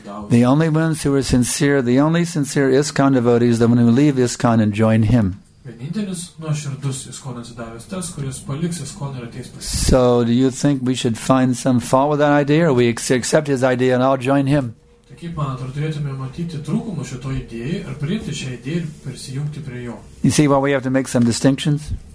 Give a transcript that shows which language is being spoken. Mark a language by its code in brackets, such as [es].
[en] The only ones who are sincere, the only sincere ISKCON devotees, the ones who leave ISKCON and join him. So do you think we should find some fault with that idea, or we accept his idea and I'll join him? [lt] Tai kaip man atrodo, turėtume matyti trūkumą šito idėjai ir priimti šią idėją ir prisijungti prie jo. [en] You see why we have to make some distinctions?